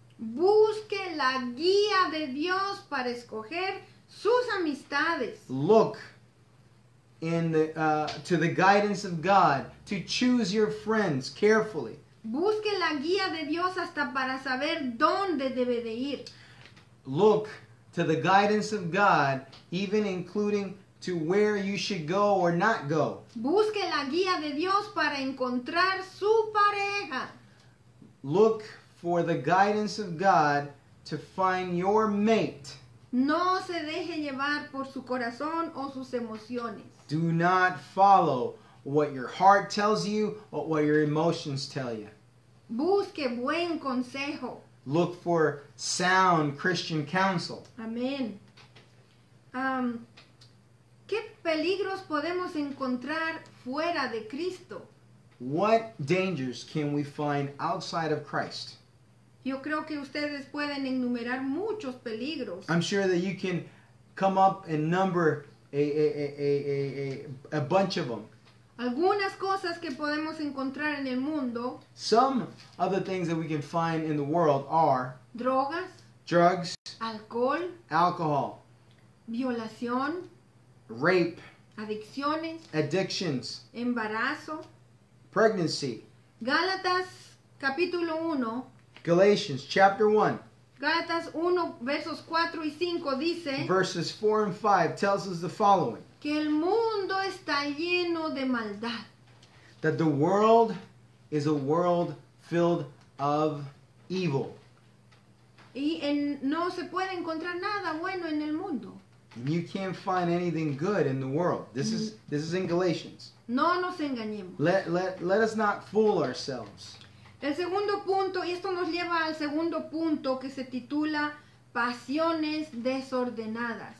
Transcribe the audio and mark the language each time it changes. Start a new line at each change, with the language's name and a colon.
Spanish: Busque la guía de Dios para escoger sus amistades.
English: Look in to the guidance of God to choose your friends carefully.
Spanish: Busque la guía de Dios hasta para saber dónde debe de ir.
English: Look to the guidance of God, even including to where you should go or not go.
Spanish: Busque la guía de Dios para encontrar su pareja.
English: Look for the guidance of God to find your mate.
Spanish: No se deje llevar por su corazón o sus emociones.
English: Do not follow what your heart tells you or what your emotions tell you.
Spanish: Busque buen consejo.
English: Look for sound Christian counsel.
Spanish: Amén. ¿Qué peligros podemos encontrar fuera de Cristo?
English: What dangers can we find outside of Christ?
Spanish: Yo creo que ustedes pueden enumerar muchos peligros.
English: I'm sure that you can come up and number a bunch of them.
Spanish: Algunas cosas que podemos encontrar en el mundo.
English: Some of the things that we can find in the world are.
Spanish: Drogas.
English: Drugs.
Spanish: Alcohol.
English: Alcohol.
Spanish: Violación.
English: Rape.
Spanish: Adicciones.
English: Addictions.
Spanish: Embarazo.
English: Pregnancy.
Spanish: Gálatas capítulo 1.
English: Galatians chapter 1.
Spanish: Gálatas 1 versos 4 y 5 dice.
English: Verses 4 and 5 tells us the following.
Spanish: Que el mundo está lleno de maldad.
English: that the world is a world filled of evil.
Spanish: Y en, no se puede encontrar nada bueno en el mundo.
English: You can't find anything good in the world. This is in Galatians.
Spanish: No nos engañemos.
English: Let us not fool ourselves.
Spanish: El segundo punto, y esto nos lleva al segundo punto que se titula Pasiones Desordenadas.